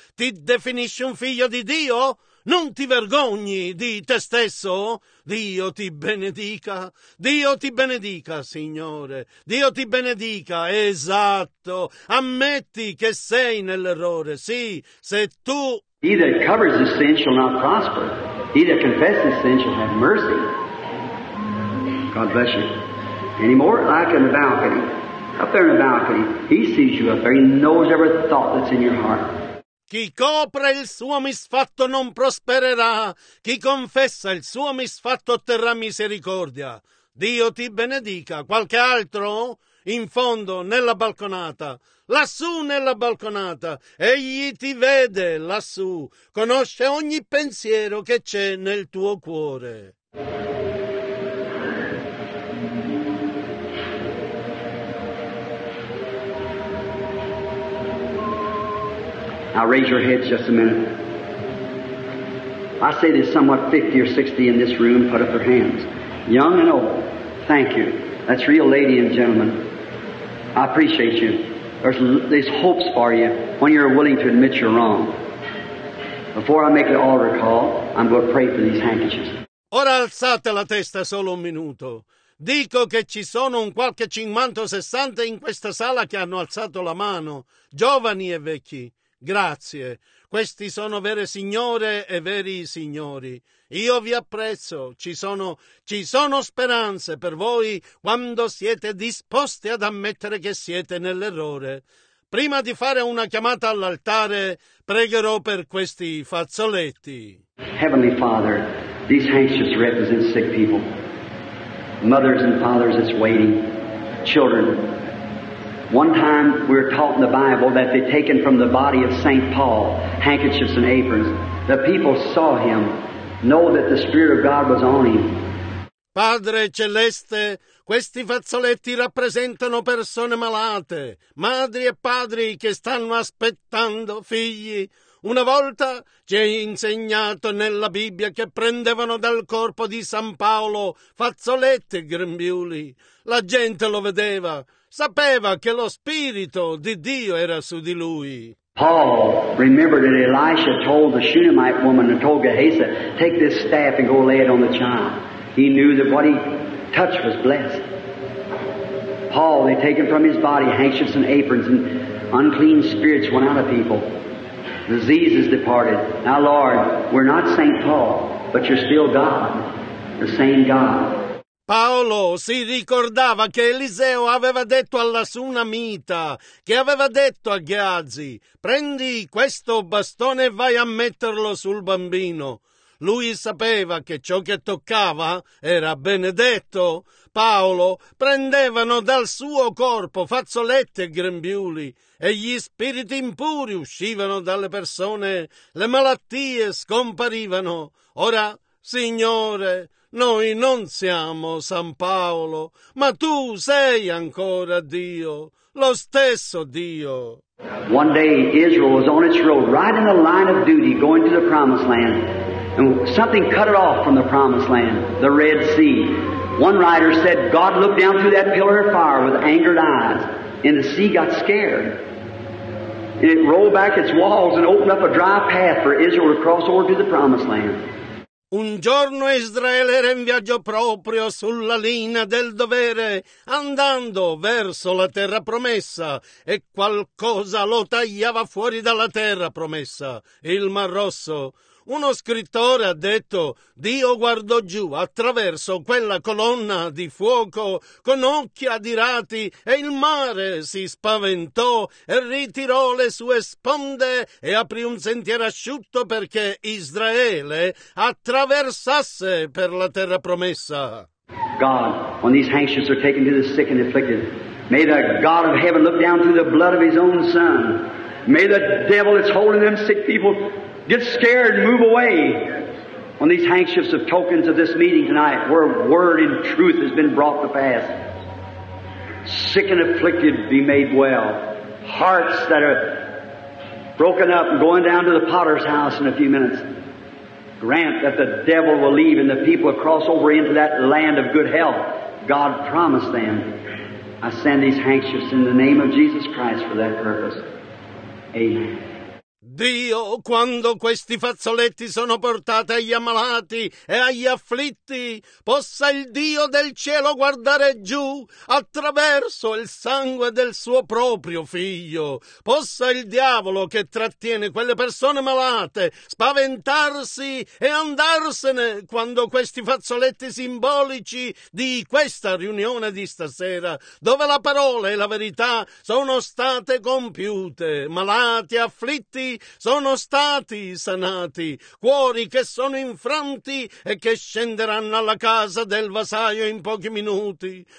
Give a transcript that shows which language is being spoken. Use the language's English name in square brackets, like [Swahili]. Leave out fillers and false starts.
[Italian] Ti definisci un figlio di Dio? Non ti vergogni di te stesso? Dio ti benedica. Dio ti benedica, Signore. Dio ti benedica. Esatto. Ammetti che sei nell'errore. Sì, se tu... [English] He that covers his sin shall not prosper. He that confesses his sin shall have mercy. God bless you. Any more? Like in the balcony. Up there in the balcony. He sees you up there. He knows every thought that's in your heart. [Italian] Chi copre il suo misfatto non prospererà. Chi confessa il suo misfatto otterrà misericordia. Dio ti benedica. Qualche altro? In fondo, nella balconata, lassù nella balconata, egli ti vede lassù, conosce ogni pensiero che c'è nel tuo cuore. [English] Now raise your heads just a minute. I say there's somewhat 50 or 60 in this room, put up their hands, young and old. Thank you. That's real, lady and gentlemen. I appreciate you. There's hopes for you when you're willing to admit you're wrong. Before I make an altar call, I'm going to pray for these handkerchiefs. [Italian] Ora alzate la testa solo un minuto. Dico che ci sono un qualche 50 o 60 in questa sala che hanno alzato la mano, giovani e vecchi. Grazie. Questi sono vere signore e veri signori. Io vi apprezzo. Ci sono speranze per voi quando siete disposti ad ammettere che siete nell'errore. Prima di fare una chiamata all'altare, pregherò per questi fazzoletti. [English] Heavenly Father, these anxious represent sick people. Mothers and fathers that's waiting. Children. One time we're taught in the Bible that they've taken from the body of St. Paul handkerchiefs and aprons. The people saw him, know that the Spirit of God was on him. [Italian] Padre Celeste, questi fazzoletti rappresentano persone malate, madri e padri che stanno aspettando figli. Una volta ci è insegnato nella Bibbia che prendevano dal corpo di San Paolo fazzoletti e grembiuli. La gente lo vedeva. Sapeva che lo Spirito di Dio era su di lui. [English] Paul remembered that Elisha told the Shunammite woman and told Gehazi, take this staff and go lay it on the child. He knew that what he touched was blessed. Paul, they take him from his body, handkerchiefs and aprons, and unclean spirits went out of people. Diseases departed. Now, Lord, we're not St. Paul, but you're still God, the same God. [Italian] Paolo si ricordava che Eliseo aveva detto alla Sunamita, che aveva detto a Gehazi, prendi questo bastone e vai a metterlo sul bambino. Lui sapeva che ciò che toccava era benedetto. Paolo prendevano dal suo corpo fazzolette e grembiuli e gli spiriti impuri uscivano dalle persone, le malattie scomparivano. Ora, Signore... Noi non siamo San Paolo, ma tu sei ancora Dio. lo stesso Dio. [English] One day Israel was on its road, right in the line of duty, going to the promised land. And something cut it off from the promised land, the Red Sea. One writer said, God looked down through that pillar of fire with angered eyes, and the sea got scared. And it rolled back its walls and opened up a dry path for Israel to cross over to the promised land. [Italian] Un giorno Israele era in viaggio proprio sulla linea del dovere, andando verso la terra promessa, e qualcosa lo tagliava fuori dalla terra promessa, il Mar Rosso. Uno scrittore ha detto, Dio guardò giù attraverso quella colonna di fuoco con occhi adirati e il mare si spaventò e ritirò le sue sponde e aprì un sentiero asciutto perché Israele attraversasse per la terra promessa. [English] God, when these anxious are taken to the sick and afflicted, may the God of heaven look down through the blood of his own son. May the devil that's holding them sick people get scared and move away. On these handkerchiefs of tokens of this meeting tonight, where word and truth has been brought to pass. Sick and afflicted be made well. Hearts that are broken up and going down to the potter's house in a few minutes. Grant that the devil will leave and the people will cross over into that land of good health. God promised them. I send these handkerchiefs in the name of Jesus Christ for that purpose. Amen. [Italian] Dio, quando questi fazzoletti sono portati agli ammalati e agli afflitti, possa il Dio del cielo guardare giù attraverso il sangue del suo proprio figlio. Possa il diavolo che trattiene quelle persone malate spaventarsi e andarsene quando questi fazzoletti simbolici di questa riunione di stasera, dove la parola e la verità sono state compiute, malati, afflitti, sono stati sanati, cuori che sono infranti e che scenderanno alla casa del vasaio in pochi minuti.